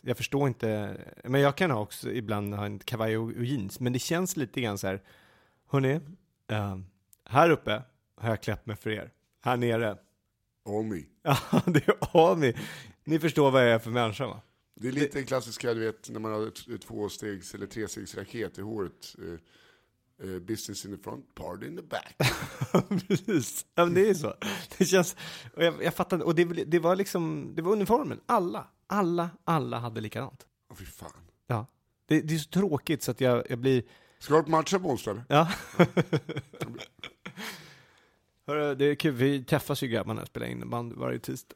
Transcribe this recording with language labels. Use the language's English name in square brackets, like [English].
[Swedish] Jag förstår inte, men jag kan också ibland ha en kavaj och jeans, men det känns lite grann så här, hörrni, här uppe har jag klätt mig för er. Här nere. Omi. Ja, det är omi. Ni förstår vad jag är för människa, va? Det är lite klassisk, du vet, när man har tvåstegs eller trestegs raket i håret. [English] Business in the front, party in the back. [Swedish] Precis, ja, men det är så. Det känns, och jag fattar, och det var liksom, det var uniformen. Alla hade likadant. Åh, fy fan. Ja, det är så tråkigt så att jag blir... Ska du på matcha på onsdag? Ja. Hörru, det är kul, vi träffas ju grabbarna och spelar innebandy varje tisdag.